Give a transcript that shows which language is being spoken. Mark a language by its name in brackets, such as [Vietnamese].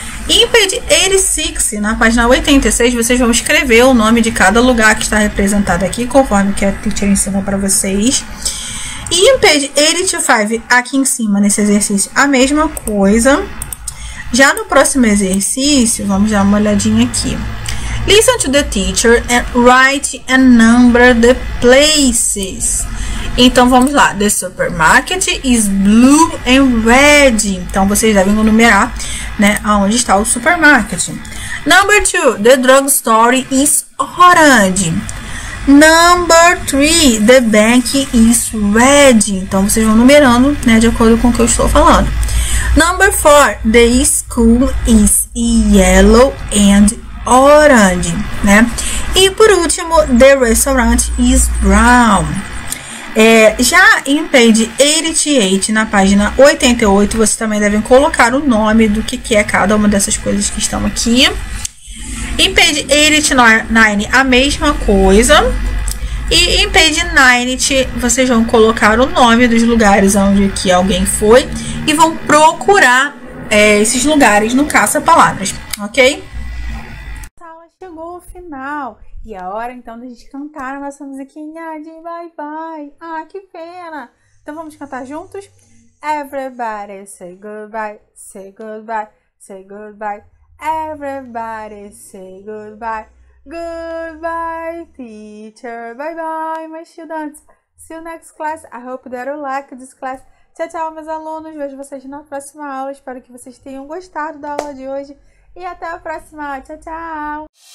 [Portuguese] Em page 86, na página 86, vocês vão escrever o nome de cada lugar que está representado aqui, conforme que a teacher ensinou para vocês. E em page 85, aqui em cima, nesse exercício, a mesma coisa. Já no próximo exercício, vamos dar uma olhadinha aqui. [English] Listen to the teacher and write and number the places. [Portuguese] Então, vamos lá. [English] The supermarket is blue and red. [Portuguese] Então, vocês devem numerar, né, aonde está o supermarket. [English] Number two, the drugstore is orange. Number three, the bank is red. [Portuguese] Então, vocês vão numerando, né, de acordo com o que eu estou falando. [English] Number four, the school is yellow and orange, né? [Portuguese] E por último, [English] the restaurant is brown. [Portuguese] É, já em page 88, na página 88, vocês também devem colocar o nome do que é cada uma dessas coisas que estão aqui. Em page 89, a mesma coisa. E em page 90, vocês vão colocar o nome dos lugares onde que alguém foi e vão procurar esses lugares no caça-palavras, ok? Chegou o final e a hora então de a gente cantar a nossa musiquinha de bye bye. Ah, que pena! Então vamos cantar juntos? [English] Everybody say goodbye, say goodbye, say goodbye. Everybody say goodbye, goodbye teacher, bye bye my students. See you next class. I hope that you like this class. [Portuguese] Tchau, tchau, meus alunos. Vejo vocês na próxima aula. Espero que vocês tenham gostado da aula de hoje. E até a próxima. Tchau, tchau.